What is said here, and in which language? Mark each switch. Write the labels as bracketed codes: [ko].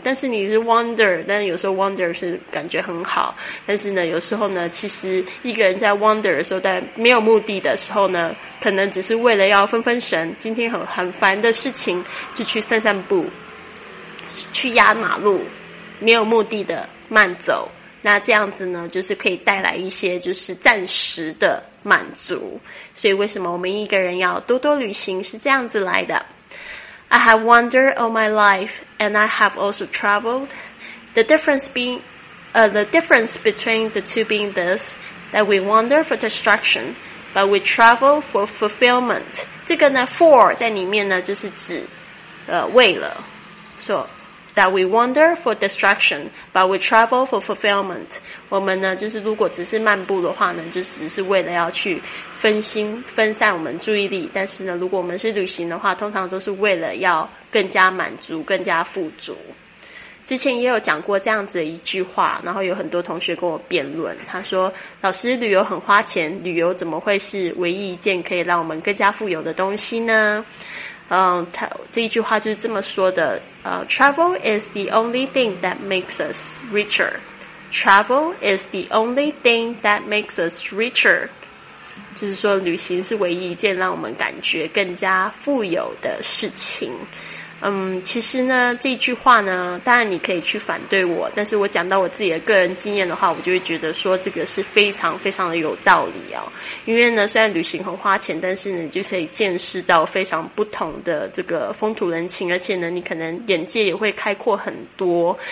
[zh] 但是你是 wander， 但是有时候 wander 是感觉很好，但是呢有时候呢其实一个人在 wander 的时候，在没有目的的时候呢，可能只是为了要分分神，今天很烦的事情就去散散步，去压马路，没有目的的慢走，那这样子呢就是可以带来一些就是暂时的满足。所以为什么我们一个人要多多旅行是这样子来的。 [en] I have wandered all my life and I have also traveled. The difference between the two being this, that we wander for distraction but we travel for fulfillment. [zh] 这个呢 for 在里面呢就是指为了，所以 [en] That we wander for distraction, but we travel for fulfillment. [zh] 我们呢，就是如果只是漫步的话呢，就只是为了要去分心，分散我们注意力。但是呢，如果我们是旅行的话，通常都是为了要更加满足，更加富足。之前也有讲过这样子的一句话，然后有很多同学跟我辩论，他说老师旅游很花钱，旅游怎么会是唯一一件可以让我们更加富有的东西呢？他这一句话就是这么说的， [en] Travel is the only thing that makes us richer. Travel is the only thing that makes us richer. [zh] 就是说旅行是唯一一件让我们感觉更加富有的事情。其实呢这句话呢，当然你可以去反对我，但是我讲到我自己的个人经验的话，我就会觉得说这个是非常非常的有道理哦。因为呢虽然旅行很花钱，但是你就可以见识到非常不同的这个风土人情，而且呢你可能眼界也会开阔很多。